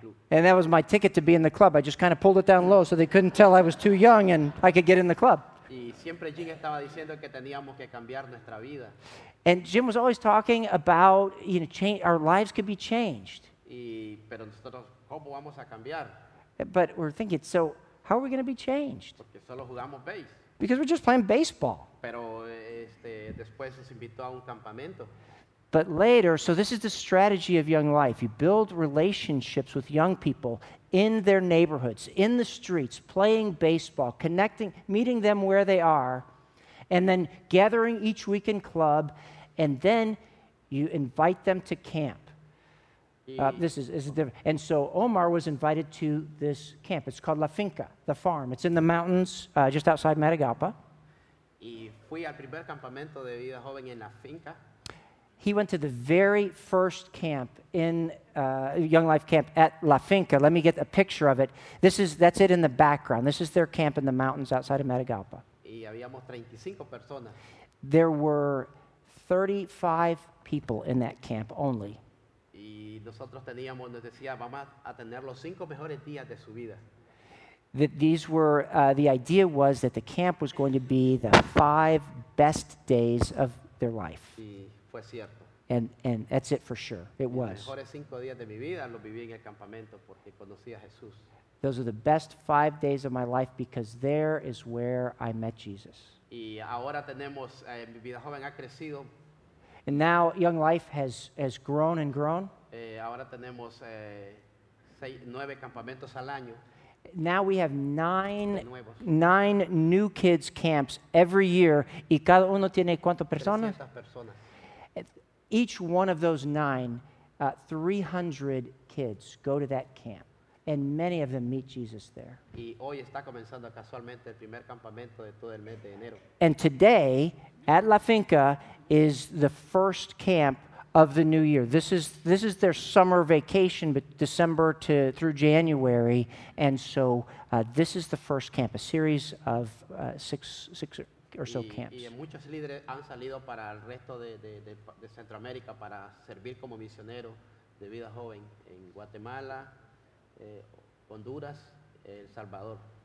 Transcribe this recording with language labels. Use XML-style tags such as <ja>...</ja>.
<en>And that was my ticket to be in the club. I just kind of pulled it down low so they couldn't tell I was too young and I could get in the club.</en> <es>Y siempre Jim estaba diciendo que teníamos que cambiar nuestra vida.</es> <en>And Jim was always talking about, you know, our lives could be changed.</en> <es>Y, pero nosotros, ¿cómo vamos a cambiar?</es> <en>But we're thinking, so how are we going to be changed?</en> <es>Porque solo jugamos base.</es> <en>Because we're just playing baseball.</en> <es>Pero después nos invitó a un campamento.</es> <en>But later, so this is the strategy of Young Life. You build relationships with young people in their neighborhoods, in the streets, playing baseball, connecting, meeting them where they are, and then gathering each week in club, and then you invite them to camp. This is different. And so Omar was invited to this camp. It's called La Finca, the farm. It's in the mountains just outside Matagalpa.</en> <es>Y fui al primer campamento de vida joven en La Finca.</es> <en>He went to the very first camp in Young Life camp at La Finca. Let me get a picture of it. That's it in the background. This is their camp in the mountains outside of Matagalpa.</en> <es>Y habíamos 35 personas.</es> <en>There were 35 people in that camp only.</en> <es>Y nosotros teníamos, nos decía, vamos a tener los cinco mejores días de su vida.</es> <en>That these were, the idea was that the camp was going to be the five best days of their life.</en> <es>Y fue cierto.</es> <en>And that's it for sure. It was.</en> <es>Los mejores cinco días de mi vida los viví en el campamento porque conocí a Jesús.</es> <en>Those are the best 5 days of my life because there is where I met Jesus.</en> <es>Y ahora tenemos, mi vida joven ha crecido.</es> <en>And now Young Life has grown and grown.</en> <es>Ahora tenemos 9 campamentos al año.</es> <en>Now we have nine new kids camps every year.</en> <es>¿Y cada uno tiene cuánto personas? 300 personas.</es> <en>Each one of those nine, 300 kids go to that camp. And many of them meet Jesus there.</en> <es>Y hoy está comenzando casualmente el primer campamento de todo el mes de enero.</es> <en>And today, at La Finca, is the first camp of the new year. This is their summer vacation, but December to through January, and so this is the first camp, a series of six or so camps.</en> <es>Y muchos líderes han salido para el resto de Centroamérica para servir como misionero de vida joven en Guatemala, Honduras, El Salvador.</es>